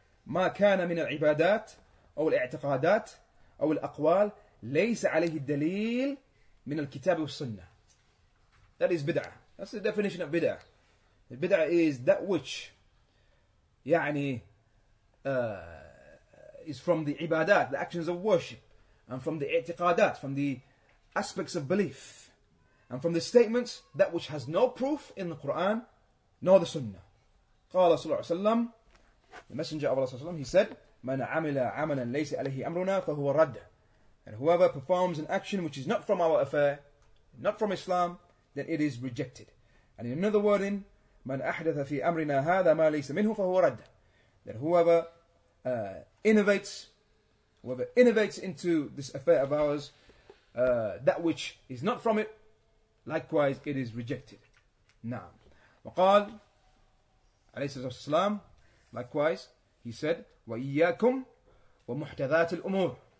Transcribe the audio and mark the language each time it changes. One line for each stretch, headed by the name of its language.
Arabic: ما كان من العبادات أو الاعتقادات أو الأقوال ليس عليه الدليل من الكتاب والسنة.
English: That is bid'ah. That's the definition of bid'ah. Bid'ah is that which يعني is from the ibadat, the actions of worship, and from the i'tiqadat, from the aspects of belief, and from the statements, that which has no proof in the Quran nor the Sunnah.
Arabic: قال صلى الله عليه وسلم,
English: the Messenger of Allah, he said,
Arabic: من عمل عملا ليس عليه أمرنا فهو رد.
English: And whoever performs an action which is not from our affair, not from Islam, then it is rejected. And in another wording,
Arabic: من أحدث في أمرنا هذا ما ليس منه فهو رد.
English: That whoever innovates into this affair of ours, that which is not from it, likewise it is rejected.
Arabic: Naam. وقال عليه الصلاة والسلام,
English: likewise he said,
Arabic: وإياكم ومحدثات الأمور.